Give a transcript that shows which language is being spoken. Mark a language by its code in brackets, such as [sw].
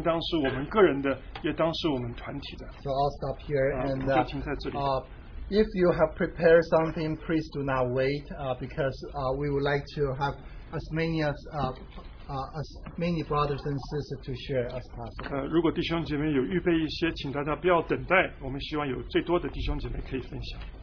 [zh] 我相信这样子的心态也是应当是我们个人的，也当是我们团体的。 [en] So I'll stop here. And [zh] 就停在这里。 [en] If you have prepared something, please do not wait, because we would like to have as many brothers and sisters to share as possible. [zh] 如果弟兄姐妹有预备一些，请大家不要等待。我们希望有最多的弟兄姐妹可以分享。